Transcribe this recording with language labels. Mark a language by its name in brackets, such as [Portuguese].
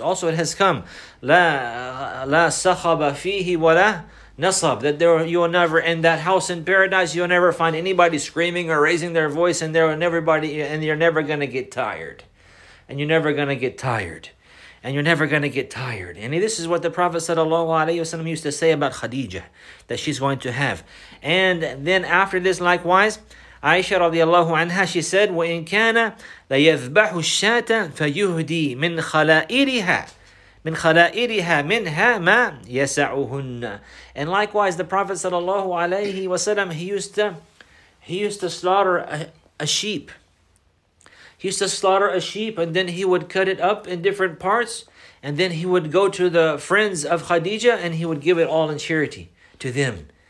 [English] Also, it has come, [Arabic] لا سخب فيه ولا نصب, [English] that there you will never in that house in paradise, you will never find anybody screaming or raising their voice, and there will never be, and you're never going to get tired, and you're never going to get tired. And you're never going to get tired. And this is what the Prophet ﷺ used to say about Khadija, that she's going to have. And then after this, likewise, Aisha radiallahu anha, she said, [Arabic] وَإِنْ كَانَ لَيَذْبَحُ الشَّاتَ فَيُهْدِي مِنْ خَلَائِرِهَا مِنْ خَلَائِرِهَا مِنْهَا مَا يَسَعُهُنَّ. [English] And likewise, the Prophet ﷺ, he used to slaughter a sheep. He used to slaughter a sheep, and then he would cut it up in different parts, and then he would go to the friends of Khadija and he would give it all in charity to them.